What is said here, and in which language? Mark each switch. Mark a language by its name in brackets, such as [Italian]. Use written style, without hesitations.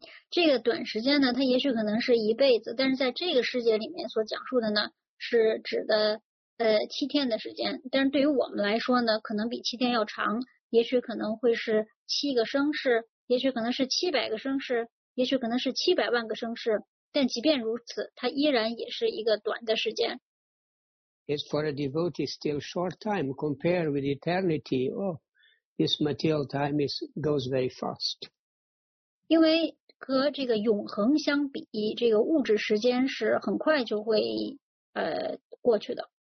[Chinese] 这个短时间呢，它也许可能是一辈子，但是在这个世界里面所讲述的呢，是指的七天的时间，但是对于我们来说呢，可能比七天要长，也许可能会是七个生世，也许可能是七百个生世，也许可能是七百万个生世，但即便如此，它依然也是一个短的时间。 [English] It's for a devotee still short time compared with eternity. Oh, this material time goes very fast. [Chinese] 因为和这个永恒相比，这个物质时间是很快就会过去的。